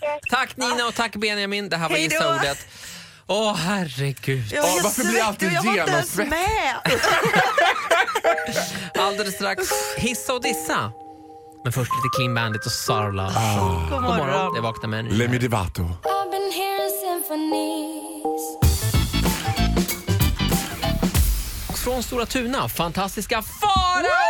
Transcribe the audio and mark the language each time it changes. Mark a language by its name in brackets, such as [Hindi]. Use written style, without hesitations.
[Swedish] Tack Nina och tack Benjamin. Det här var gissa ordet. Åh, herregud. Varför blir jag alltid genomsvett? Jag var inte ens med. Alldeles strax. Hissa och dissa. Men först lite Clean Bandit och Sarla. God morgon. Jag vaknar med en. Lemmy Divato. [English] I've been hearing symphonies. [Swedish] Från Stora Tuna, fantastiska Farao!